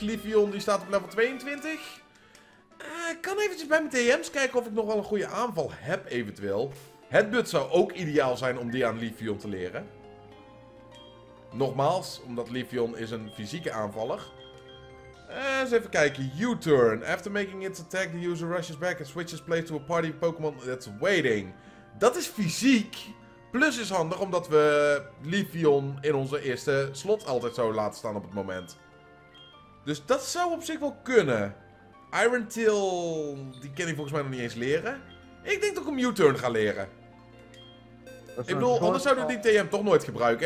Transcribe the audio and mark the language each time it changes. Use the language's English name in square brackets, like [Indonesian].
[Dutch] Livion die staat op level 22. Ik kan eventjes bij mijn DM's kijken of ik nog wel een goede aanval heb eventueel. Headbutt zou ook ideaal zijn om die aan Livion te leren. Nogmaals, omdat Livion is een fysieke aanvaller. Eens even kijken. U-turn. [English] After making its attack, the user rushes back and switches place to a party Pokémon that's waiting. [Dutch] Dat is fysiek. Plus is handig, omdat we Livion in onze eerste slot altijd zo laten staan op het moment. Dus dat zou op zich wel kunnen. Iron Tail, die ken ik volgens mij nog niet eens leren. Ik denk dat ik een U-turn ga leren. Ik bedoel, anders zouden we die TM toch nooit gebruiken.